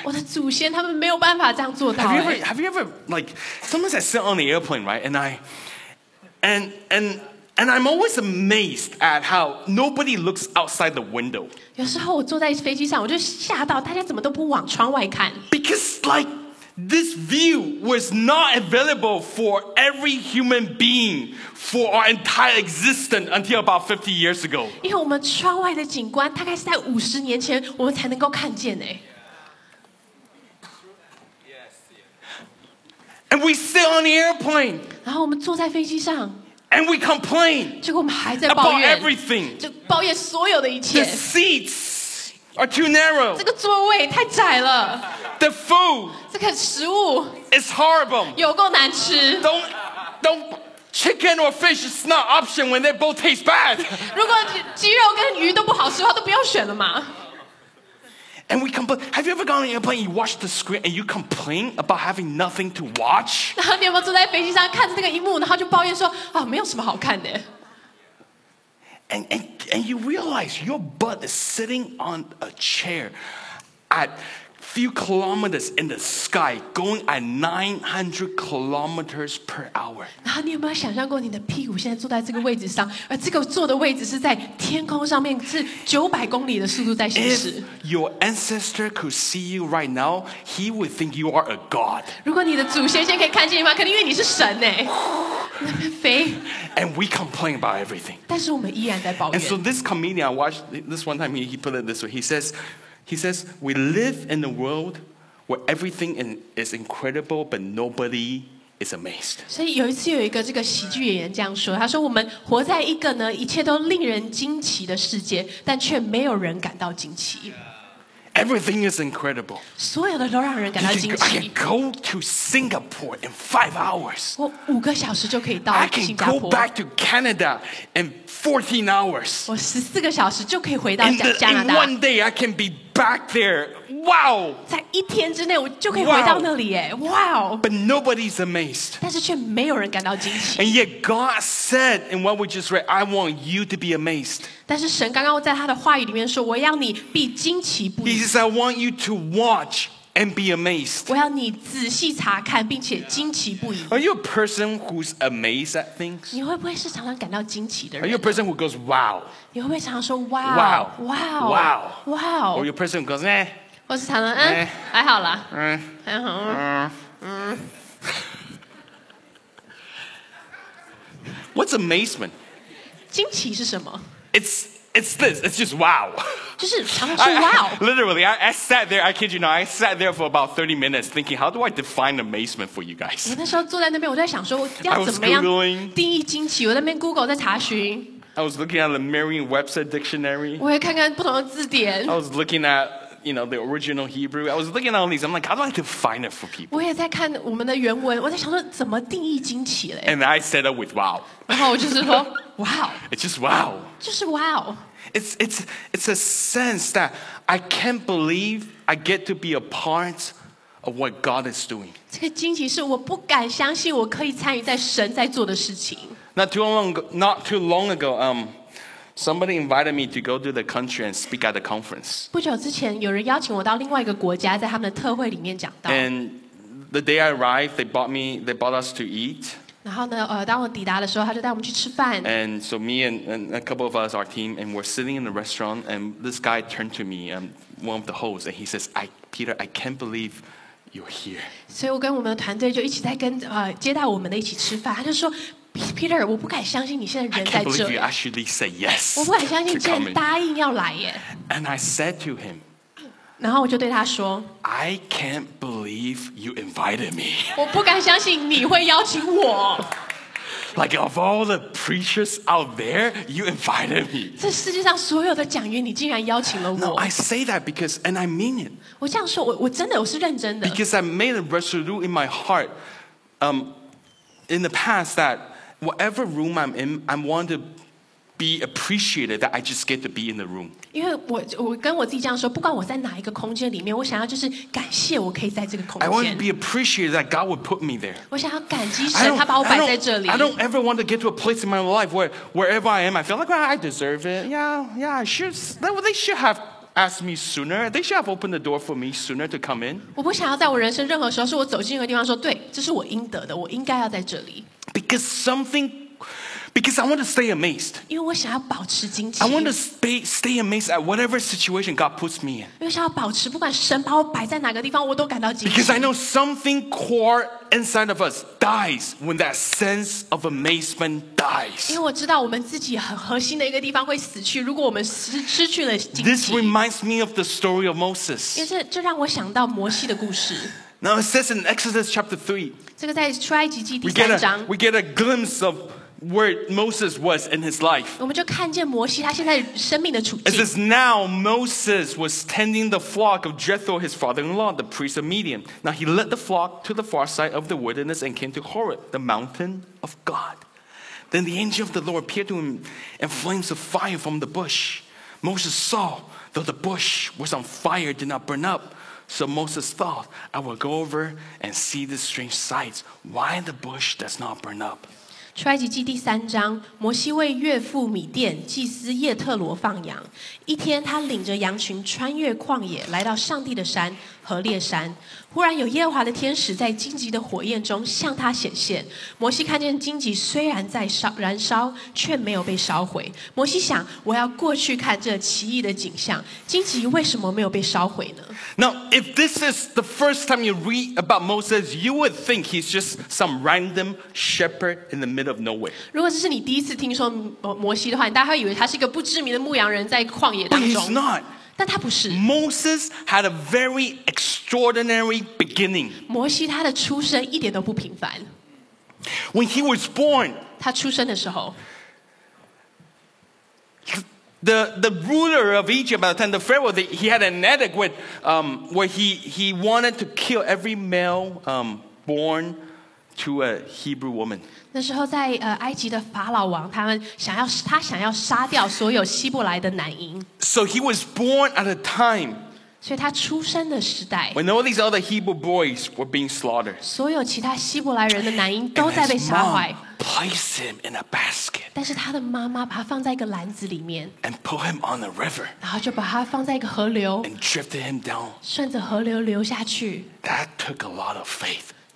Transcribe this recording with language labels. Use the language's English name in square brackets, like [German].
[Chinese] 我的祖先他们没有办法这样做到。 [English] Have you ever like sometimes I sit on the airplane right and I'm always amazed at how nobody looks outside the window. [Chinese] 有时候我坐在飞机上，我就吓到大家怎么都不往窗外看。 [English] Because like This view was not available for every human being for our entire existence until about 50 years ago. [Chinese] 因为我们窗外的景观大概是在五十年前我们才能够看见耶。 [English] And we sit on the airplane. [Chinese] 然后我们坐在飞机上。 [English] And we complain. [Chinese] 结果我们还在抱怨。 [English] About everything. [Chinese] 就抱怨所有的一切。 [English] The seats are too narrow. [Chinese] 这个座位太窄了。 [English] The food. [Chinese] 这个食物。 [English] It's horrible. [Chinese] 有够难吃。 [English] Don't chicken or fish is not option when they both taste bad. [Chinese] 如果鸡肉跟鱼都不好吃的话，都不要选了嘛。 [English] And we complain. Have you ever gone on an airplane? You watch the screen and you complain about having nothing to watch. [Chinese] 然后你有没有坐在飞机上看着那个荧幕，然后就抱怨说啊，没有什么好看的。 [English] And you realize your butt is sitting on a chair at few kilometers in the sky, going at 900 kilometers per hour. [Chinese] 然后你有没有想象过你的屁股现在坐在这个位置上，而这个坐的位置是在天空上面，是900公里的速度在行驶。 [English] If your ancestor could see you right now, he would think you are a god. [Chinese] 如果你的祖先现在可以看见你吗？肯定因为你是神呢。 [English] And we complain about everything. [Chinese] 但是我们依然在抱怨。 [English] And so this comedian, I watched this one time, he put it this way. He says, we live in a world where everything is incredible, but nobody is amazed. [Chinese] 所以有一次有一个这个喜剧演员这样说，他说我们活在一个呢一切都令人惊奇的世界，但却没有人感到惊奇。 [English] Everything is incredible. [Chinese] 所有的都让人感到惊奇。 [English] I can go to Singapore in 5 hours. [Chinese] 我五个小时就可以到新加坡。 [English] I can go back to Canada in 14 hours. [Chinese] 我十四个小时就可以回到加拿大。 [English] In one day, I can be back there. Wow! [Chinese] 在一天之内，我就可以回到那里耶。 [English] Wow! But nobody's amazed. [Chinese] 但是却没有人感到惊奇。 [English] And yet God said in what we just read, I want you to be amazed. [Chinese] 但是神刚刚在他的话语里面说，我要你必惊奇不已。 [English] He says, "I want you to watch and be amazed." [Chinese] 我要你仔细查看，并且惊奇不已。 [English] Are you a person who's amazed at things? [Chinese] 你会不会是常常感到惊奇的人 [English] ？Are you a person who goes, "Wow"? [Chinese] 你会不会常常说 "Wow"? [English] Wow! Wow! Wow! Wow! Or are you a person who goes, "Eh"? [Chinese] 或是常常嗯，还好啦，嗯，还好，嗯。 [English] What's amazement? [Chinese] 惊奇是什么？ [English] It's this. It's just wow. [Chinese] 就是常常说 wow. [English] Literally, I sat there. I kid you not. I sat there for about 30 minutes thinking, how do I define amazement for you guys? [Chinese] 我那时候坐在那边，我在想说要怎么样定义惊奇。我在那边 Google 在查询。 [English] I was looking at the Merriam-Webster dictionary. [Chinese] 我也看看不同的字典。 [English] I was looking at you know the original Hebrew. I was looking at all these. I'm like, how do I define it for people? [Chinese] 我也在看我们的原文。我在想说怎么定义惊奇嘞。 [English] And I said it with wow. [Chinese] 然后我就是说 wow. [English] It's just wow. [Chinese] 就是 wow. [English] It's a sense that I can't believe I get to be a part of what God is doing. [Chinese] 这个惊奇是我不敢相信我可以参与在神在做的事情。 [English] Not too long ago, somebody invited me to go to the country and speak at a conference. [Chinese] 不久之前，有人邀请我到另外一个国家，在他们的特会里面讲道。 [English] And the day I arrived, they bought us to eat. [Chinese] 然后呢，当我抵达的时候，他就带我们去吃饭。 [English] And so me and a couple of us, our team, and we're sitting in the restaurant, and this guy turned to me, one of the hosts, and he says, "Peter, I can't believe you're here." [Chinese] 所以我跟我们的团队就一起在跟接待我们的一起吃饭。他就说 ，Peter, 我不敢相信你现在人在这。 [English] I can't believe you actually said yes. [Chinese] 我不敢相信你竟然答应要来耶。 [English] And I said to him. [Chinese] 然后我就对他说 [English] I can't believe you invited me. [Chinese] 我不敢相信你会邀请我。 [English] Like of all the preachers out there, you invited me. [Chinese] 这世界上所有的讲员，你竟然邀请了我。 [English] No, I say that because, and I mean it. [Chinese] 我这样说，我真的，我是认真的。 [English] Because I made a resolution in my heart, in the past that whatever room I'm in, I want to. Be appreciated that I just get to be in the room. [Chinese] 因为我跟我自己这样说，不管我在哪一个空间里面，我想要就是感谢我可以在这个空间。 [English] I want to be appreciated that God would put me there. [Chinese] 我想要感激神，他把我摆在这里。 [English] I don't ever want to get to a place in my life where wherever I am, I feel like, well, I deserve it. Yeah, I should. They should have. Ask me sooner. They should have opened the door for me sooner to come in. [Chinese] 我不想要在我人生任何时候，是我走进一个地方说，对，这是我应得的，我应该要在这里。 [English] Because something, Because I want to stay amazed. [Chinese] 因为我想要保持惊奇。 [English] I want to stay amazed at whatever situation God puts me in. [Chinese] 因为想要保持，不管神把我摆在哪个地方，我都感到惊奇。 [English] Because I know something core inside of us dies when that sense of amazement dies. [Chinese] 因为我知道我们自己很核心的一个地方会死去，如果我们失去了惊奇。 [English] This reminds me of the story of Moses. [Chinese] 因为这让我想到摩西的故事。 [English] Now it says in Exodus chapter 3, [Chinese] 这个在出埃及记第三章 [English] we get a glimpse of where Moses was in his life. [Chinese] 我们就看见摩西他现在生命的处境 [English] It says now Moses was tending the flock of Jethro his father-in-law, the priest of Midian. Now he led the flock to the far side of the wilderness and came to Horeb, the mountain of God. Then the angel of the Lord appeared to him in flames of fire from the bush. Moses saw, though the bush was on fire, did not burn up. So Moses thought, I will go over and see the strange sights. Why the bush does not burn up? [Chinese] 出埃及记第三章，摩西为岳父米甸祭司叶特罗放羊。一天，他领着羊群穿越旷野，来到上帝的山何烈山。忽然有耶和华的天使在荆棘的火焰中向他显现。摩西看见荆棘虽然在燃烧，却没有被烧毁。摩西想，我要过去看这奇异的景象。荆棘为什么没有被烧毁呢？ [English] Now, if this is the first time you read about Moses, you would think he's just some random shepherd in the middle of nowhere. [Chinese] 如果这是你第一次听说摩西的话，你大概会以为他是一个不知名的牧羊人在旷野当中。 [English] But he's not. [Chinese] 但他不是。 [English] Moses had a very extraordinary beginning. [Chinese] 摩西他的出生一点都不平凡。 [English] When he was born, [Chinese] 他出生的时候 [English] the ruler of Egypt at the time, the Pharaoh, he had an edict where he wanted to kill every male born to a Hebrew woman. [Chinese] 那时候在埃及的法老王他想要杀掉所有希伯来的男婴 [English] So he was born at a time [Chinese] 所以他出生的时代 [English] When all these other Hebrew boys were being slaughtered [Chinese] 所有其他希伯来人的男婴都在被杀坏 [English] placed him in a basket [Chinese] 但是他的妈妈把他放在一个篮子里面 [English] And put him on a river [Chinese] 然后就把他放在一个河流 [English] And drifted him down [Chinese] 顺着河流流下去 [English] That took a lot of faith